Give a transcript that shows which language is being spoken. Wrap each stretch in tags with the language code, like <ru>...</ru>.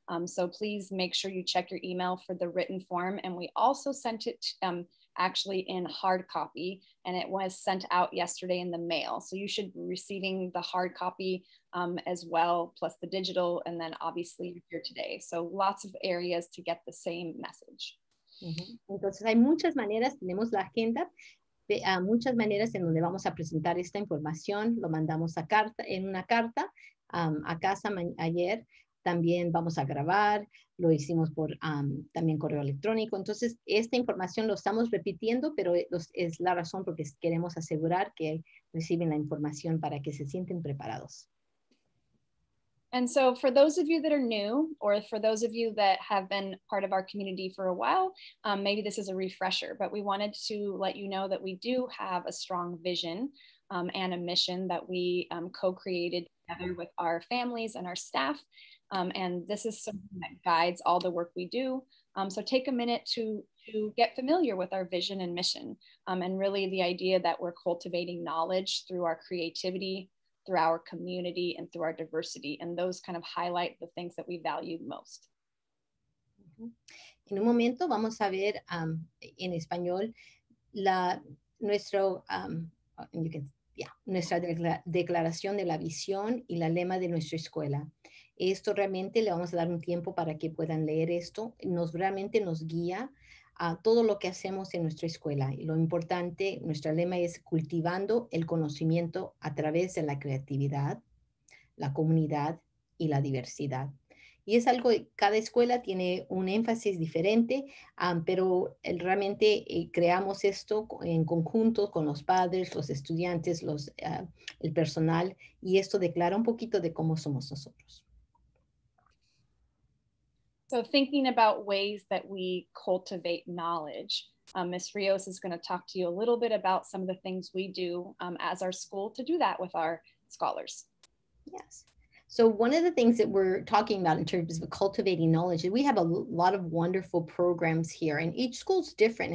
<en>So please make sure you check your email for the written form. And we also sent it actually in hard copy, and it was sent out yesterday in the mail. So you should be receiving the hard copy as well, plus the digital, and then obviously here today. So lots of areas to get the same message. Mm-hmm.</en> <es>Entonces hay muchas maneras, tenemos la agenda, muchas maneras en donde vamos a presentar esta información. Lo mandamos a carta, en una carta a casa ayer. También vamos a grabar, lo hicimos por también correo electrónico. Entonces, esta información lo estamos repitiendo, pero es la razón porque queremos asegurar que reciben la información para que se sienten preparados.</es> <en>And so for those of you that are new, or for those of you that have been part of our community for a while, maybe this is a refresher, but we wanted to let you know that we do have a strong vision and a mission that we co-created together with our families and our staff. And this is something that guides all the work we do. So take a minute to get familiar with our vision and mission, and really the idea that we're cultivating knowledge through our creativity, through our community, and through our diversity. And those kind of highlight the things that we value most.</en> <es>En un momento vamos a ver en español nuestra declaración de la visión y la lema de nuestra escuela. Esto realmente le vamos a dar un tiempo para que puedan leer esto. Realmente nos guía a todo lo que hacemos en nuestra escuela. Y lo importante, nuestro lema es cultivando el conocimiento a través de la creatividad, la comunidad y la diversidad. Y es algo, cada escuela tiene un énfasis diferente, pero realmente creamos esto en conjunto con los padres, los estudiantes, el personal, y esto declara un poquito de cómo somos nosotros.</es> <en>So thinking about ways that we cultivate knowledge, Ms. Rios is going to talk to you a little bit about some of the things we do as our school to do that with our scholars. Yes. So one of the things that we're talking about in terms of cultivating knowledge, we have a lot of wonderful programs here, and each school's different.</en>